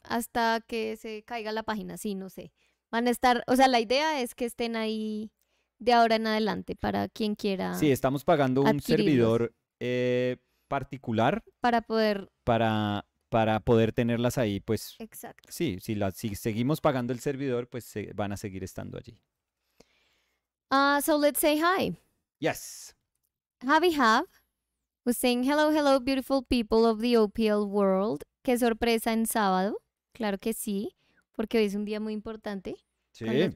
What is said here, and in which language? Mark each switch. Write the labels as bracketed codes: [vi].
[es] Hasta que se caiga la página, sí, no sé. Van a estar, o sea, la idea es que estén ahí de ahora en adelante para quien quiera. Sí, estamos pagando un servidor particular para poder para poder tenerlas ahí, pues Exacto. sí, si seguimos pagando el servidor, pues van a seguir estando allí. [en] So let's say hi. Yes. Javi Hav was saying, hello, hello, beautiful people of the OPL world. [es] Qué sorpresa en sábado. Claro que sí, porque hoy es un día muy importante con los